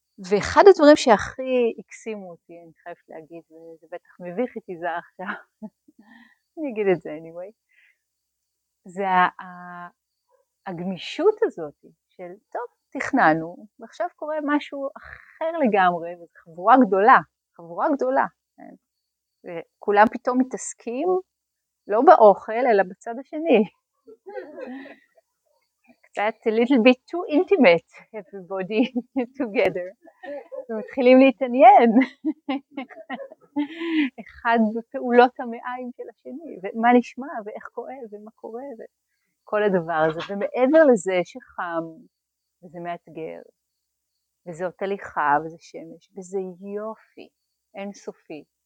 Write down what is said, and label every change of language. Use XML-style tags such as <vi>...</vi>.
<he>ואחד הדברים שהכי הקסימו אותי, אני חייבת להגיד, וזה בטח מביך את יזהר עכשיו, אני אגיד את זה anyway, זה הגמישות הזאת של, טוב, תכננו, ועכשיו קורה משהו אחר לגמרי, חבורה גדולה, חבורה גדולה. וכולם פתאום מתעסקים, לא באוכל, אלא בצד השני.</he> <en>That a little bit too intimate, everybody together.</en> <he>ומתחילים להתעניין. אחד בפעולות המאיים של השני, ומה נשמע, ואיך כואב, ומה קורה, וכל הדבר הזה. ומעבר לזה שחם, וזה מאתגר, וזה אותה הליכה, וזה שמש, וזה יופי, אינסופי.</he>